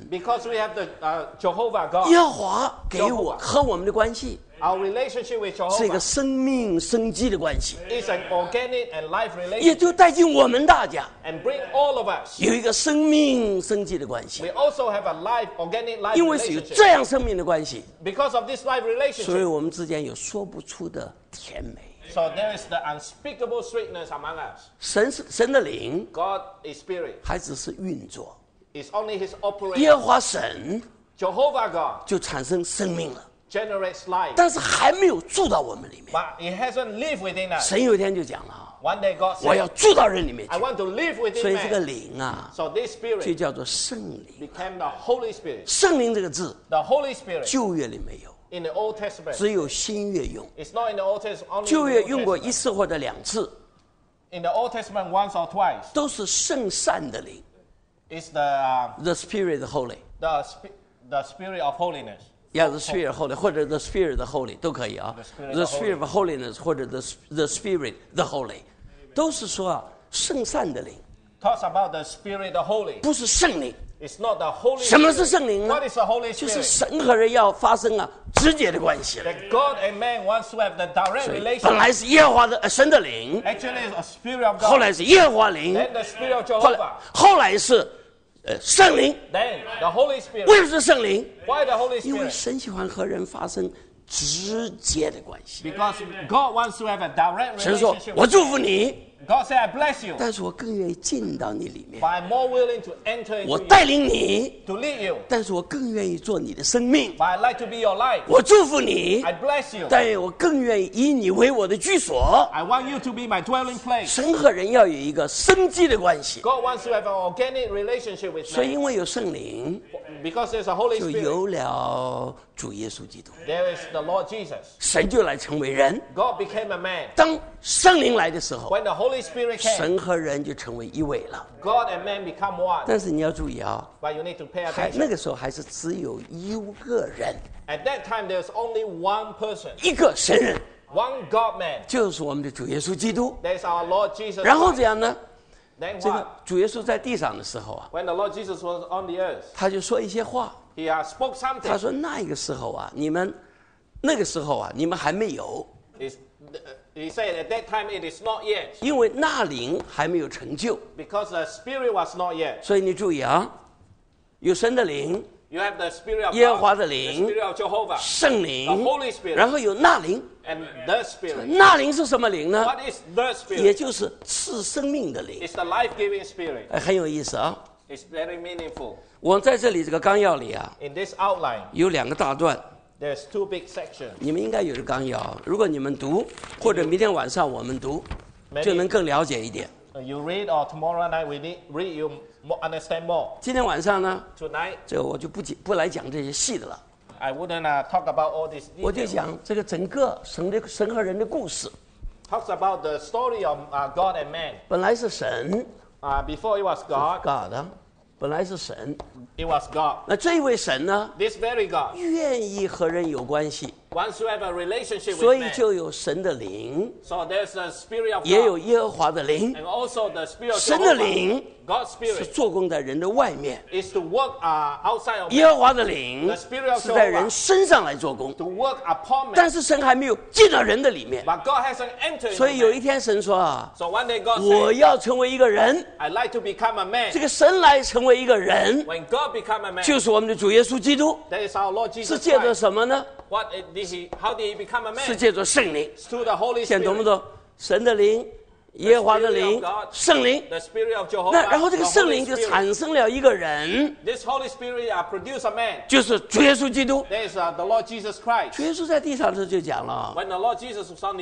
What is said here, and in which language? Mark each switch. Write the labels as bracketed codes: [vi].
[en] Because we have the Jehovah God. [zh] 耶和华给我和我们的关系。 [en] Our relationship with Jehovah [zh] 是一个生命生机的关系。 [en] It's an organic and life relationship. [zh] 也就带进我们大家。 [en] And bring all of us. [zh] 有一个生命生机的关系。 [en] We also have a life organic life relationship. [zh] 因为是有这样生命的关系。 [en] Because of this life relationship. [zh] 所以我们之间有说不出的甜美。 [en] So there is the unspeakable sweetness among us. [zh] 神的灵 [en] God is spirit. [zh] 还只是运作 [en] It's only his operation. [zh] 耶和华神 [en] Jehovah God [zh] 就产生生命了 [en] Generates life. [zh] 但是还没有住到我们里面 [en] But it hasn't lived within us. [zh] 神有一天就讲了 [en] One day God said, [zh] 我要住到人里面去 [en] I want to live within man. [zh] 所以这个灵啊 [en] So this spirit [zh] 就叫做圣灵 [en] became the Holy Spirit. [zh] 圣灵这个字 [en] The Holy Spirit. [zh] 旧约里没有 [en] In the Old Testament, [zh] 只有新约用。 [en] It's not in the Old Testament. [zh] 旧约用过一次或者两次。 [en] In the Old Testament, once or twice. [zh] 都是圣善的灵。 [en] It's the Spirit of Holy. The Spirit of Holiness. Yeah, the Spirit of Holy, 或者 the Spirit of Holy [zh] 都可以啊。 [en] The Spirit of Holiness [zh] 或者 [en] the Spirit the Holy， [zh] 都是说圣善的灵。 [en] Talks about the Spirit of Holy. [zh] 不是圣灵。 [en] It's not the Holy Spirit. [zh] 什么是圣灵呢？就是神和人要发生啊直接的关系了。 [en] That God and man wants to have the direct relationship. [zh] 本来是耶和华的神的灵 [en] ，actually is a spirit of God. [zh] 后来是耶和华灵 [en] ，then the spirit of Jehovah. [zh] 后来是圣灵 [en] ，then the Holy Spirit. [zh] 为什么是圣灵 [en] ？Why the Holy Spirit? [zh] 因为神喜欢和人发生直接的关系。 [en] Because God wants to have a direct relationship. [zh] 神说，我祝福你。 [en] God said, "I bless you." [zh] 但是我更愿意进到你里面。 [en] But I'm more willing to enter into. [zh] 我带领你。 [en] To lead you. [zh] 但是我更愿意做你的生命。 [en] But I'd like to be your life. [zh] 我祝福你。 [en] I bless you. [zh] 但我更愿意以你为我的居所。 [en] I want you to be my dwelling place. [zh] 神和人要有一个生机的关系。 [en] God wants to have an organic relationship with me. [zh] 所以因为有圣灵。 [en] Because there's a Holy Spirit. [zh] 就有了主耶稣基督。 [en] There is the Lord Jesus. [zh] 神就来成为人。 [en] God became a man. [zh] 当圣灵来的时候。 [en] When the Holy Spirit came. [zh] 神和人就成为一位了。 [en] God and man become one. [zh] 但是你要注意啊。 [en] But you need to pay attention. [zh] 那个时候还是只有一个人。 [en] At that time there's only one person. [zh] 一个神人。 [en] One God man. [zh] 就是我们的主耶稣基督。 [en] That's our Lord Jesus. [zh] 然后怎样呢？ [en] Then what? [zh] 这个主耶稣在地上的时候啊。 [en] When the Lord Jesus was on the earth. [zh] 他就说一些话。 [en] He has spoke something. [zh] 他说那个时候啊，你们那个时候啊，你们还没有。 [en] He said at that time it is not yet. [zh] 因为那灵还没有成就。 [en] Because the spirit was not yet. [zh] 所以你注意啊，有神的灵。 [en] You have the spirit of God, [zh] 耶和华的灵。 [en] The spirit of Jehovah. [zh] 圣灵。 [en] The Holy Spirit. [zh] 然后有那灵。 [en] And the spirit. [zh] 那灵是什么灵呢 [en] ？What is the spirit? [zh] 也就是赐生命的灵。 [en] It's the life-giving spirit. [zh] 哎，很有意思啊。 [en] It's very meaningful. [zh] 我在这里这个纲要里啊 [en] In this outline, [zh] 有两个大段 [en] There's two big sections. [zh] 你们应该有个纲要如果你们读或者明天晚上我们读 [en] Maybe, [zh] 就能更了解一点 [en] you read or tomorrow night we need read you understand more. [zh] 今天晚上呢 [en] Tonight, [zh] 这我就 不来讲这些细的了 [en] I wouldn't, talk about all this details. [zh] 我就讲这个整个 神和人的故事 [en] Talks about the story of, God and man. [zh] 本来是神 [en] Before it was God, [zh] God. 本来是神 [en] It was God. [zh] 那这位神呢 [en] This very God. [zh] 愿意和人有关系 [en] Once you have a relationship with [zh] 所以就有神的灵 [en] So there's the spirit of God. [zh] 也有耶和华的灵 [en] And also the spirit of God. [zh] 神的灵 [en] God's spirit. [zh] 是做工在人的外面 [en] Is to work, outside of man. [zh] 耶和华的灵 [en] The spirit of God. [zh] 是在人身上来做工 [en] To work upon man. [zh] 但是神还没有进到人的里面 [en] But God hasn't entered man. [zh] 所以有一天神说啊 [en] So one day God said, [zh] 我要成为一个人 [en] I'd like to become a man. [zh] 这个神来成为一个人 [en] When God become a man, [zh] 就是我们的主耶稣基督 [en] that is our Lord Jesus [zh] 是借着什么呢 [en] What did he, how did he become a man? [zh] 是借着圣灵 [en] It's through the Holy Spirit. [zh] 现在懂不懂神的灵耶和华的灵 [en] God, [zh] 圣灵 [en] the spirit of Jehovah, [zh] 那然后这个圣灵就产生了一个人 [en] This Holy Spirit, produce a man, [zh] 就是主耶稣基督 [en] that is, the Lord Jesus Christ. [zh] 主耶稣在地上就讲了 [en] When the Lord Jesus was on the